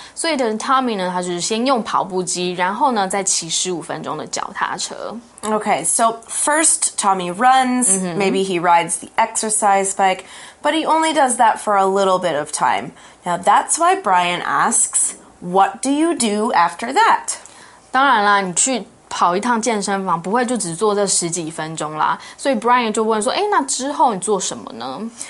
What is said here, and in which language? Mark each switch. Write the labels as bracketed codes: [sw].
[zh] 所以的 Tommy 呢，他就是先用跑步机，然后呢再骑15分钟的脚踏车。 [en] Okay, so first Tommy runs, maybe he rides the exercise bike, but he only does that for a little bit of time. Now that's why Brian asks, what do you do after that? [zh] 当然啦，你去跑一趟健身房，不会就只做这十几分钟啦。所以 Brian 就问说，那之后你做什么呢？